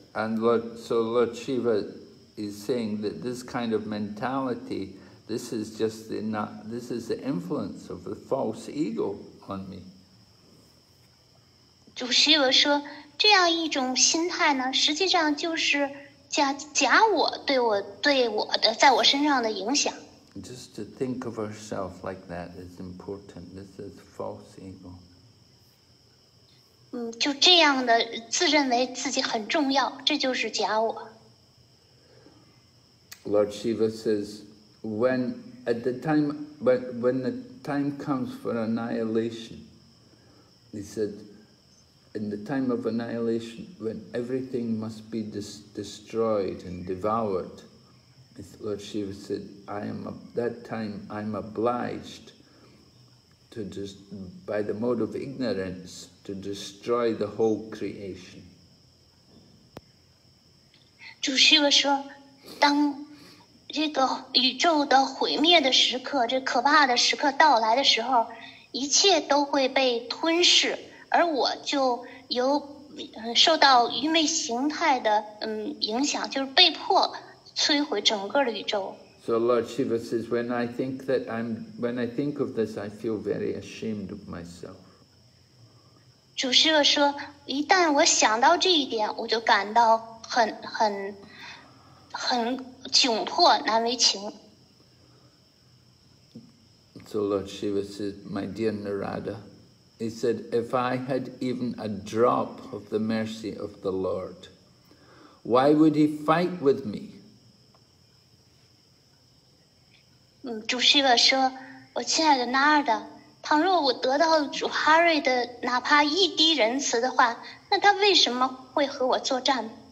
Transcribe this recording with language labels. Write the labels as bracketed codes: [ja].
[en] And Lord Shiva is saying that this kind of mentality, this is just the not, this is the influence of the false ego on me. [zh] 主 Shiva 说，这样一种心态呢，实际上就是假我对我的在我身上的影响。 [en] Just to think of ourselves like that is important. This is false ego. [zh] 就这样的自认为自己很重要，这就是假我。 [en] Lord Shiva says, when the time comes for annihilation, he said, in the time of annihilation, when everything must be destroyed and devoured, Lord Shiva said, I am obliged. To just by the mode of ignorance to destroy the whole creation. [zh] 主 Shiva 说，当这个宇宙的毁灭的时刻，这可怕的时刻到来的时候，一切都会被吞噬，而我就由受到愚昧形态的影响，就是被迫摧毁整个的宇宙。 [en] So Lord Shiva says, when I think of this, I feel very ashamed of myself. [zh] 主 Shiva 说，一旦我想到这一点，我就感到很窘迫，难为情。 [en] So Lord Shiva says, my dear Narada, he said, if I had even a drop of the mercy of the Lord, why would he fight with me? [zh] 主 Shiva 说，我亲爱的 Narada， 倘若我得到主 Hari 的哪怕一滴仁慈的话，那他为什么会和我作战？